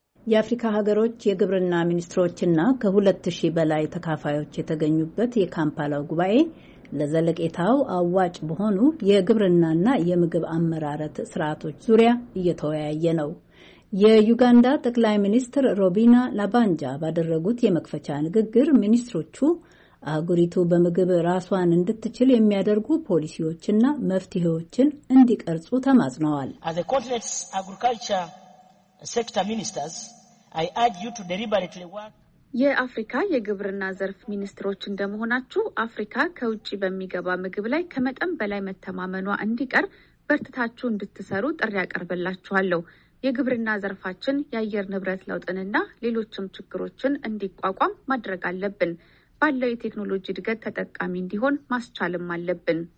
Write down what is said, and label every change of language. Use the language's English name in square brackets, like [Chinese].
[Amharic] የአፍሪካ ሀገሮች የግብርና ሚኒስትሮችና ከ2000 በላይ ተካፋዮች የተገኙበት የካምፓላው ጉባኤ ለዘለቄታው አዋጭ በሆኑ የግብርናና የምግብ አመራረት ስርዓቶች ዙሪያ እየተወያየ ነው። የዩጋንዳ ጠቅላይ ሚኒስትር ሮቢና ላባንጃ ባደረጉት የመክፈቻ ንግግር ሚኒስትሮቹ አገሪቱ በምግብ ራስዋን እንድትችል የሚያደርጉ ፖሊሲዎችና መፍትሄዎችን እንዲቀርጹ ተማጽነዋል። [English] As the continent's agriculture sector ministers, I urge you to deliberately work. [Amharic] የአፍሪካ የግብርና ዘርፍ ሚኒስትሮች እንደመሆናችሁ አፍሪካ ከውጪ በሚገባ ምግብ ላይ ከመጠን በላይ መተማመኗ እንዲቀር በርትታችሁ እንድትሰሩ ጥሪ አቀርብላችኋለሁ። የግብርና ዘርፋችን ያየር ንብረት ለውጥንና ሌሎችንም ችግሮችን እንዲቋቋም ማድረግ አለብን። ባለው የቴክኖሎጂ እድገት ተጠቃሚ እንዲሆን ማስቻልም አለብን።